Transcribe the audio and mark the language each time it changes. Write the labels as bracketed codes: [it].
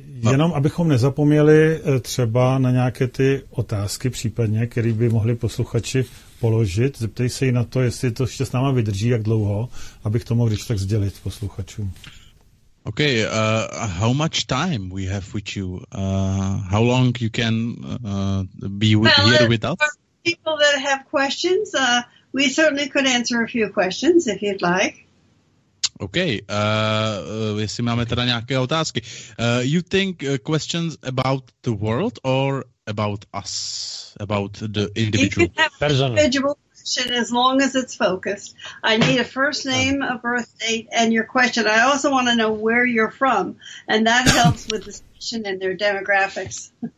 [cs] Jenom, abychom nezapomněli třeba na nějaké ty otázky případně, které by mohli posluchači položit, zeptej se i na to, jestli to ještě s náma vydrží, jak dlouho, abych to mohl když tak sdělit posluchačům. [en] Okay, how much time we have with you? How long you can be here with us? People that have questions, we certainly could answer a few questions if you'd like. [cs] Okay, jestli máme teda nějaké otázky. [en] You think questions about the world or about us, about the individual? You can have an individual question as long as it's focused. I need a first name, a birth date, and your question. I also want to know where you're from, and that helps with the station and their demographics.